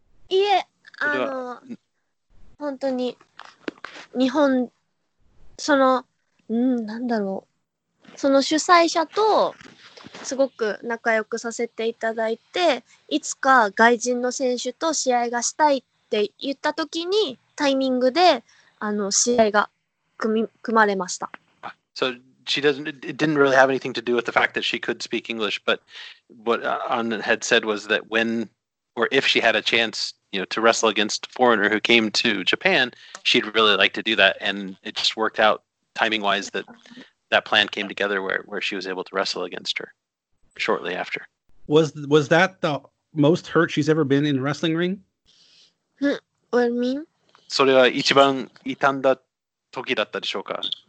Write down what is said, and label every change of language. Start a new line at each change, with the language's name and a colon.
Japanese: いえ、本当に日本、なんだろう、その主催者とすごく仲良くさせていただいて、いつか外人の選手と試合がしたいって言った時にタイミングで試合が組まれました。
English: So she doesn't, it didn't really have anything to do with the fact that she could speak English, but what An had said was that whenOr if she had a chance, to wrestle against a foreigner who came to Japan, she'd really like to do that. And it just worked out timing-wise that that plan came together where she was able to wrestle against her shortly after. Was that the most hurt she's ever been in a wrestling ring? What do you mean?
Japanese: それは一番痛んだ時だったでしょうか?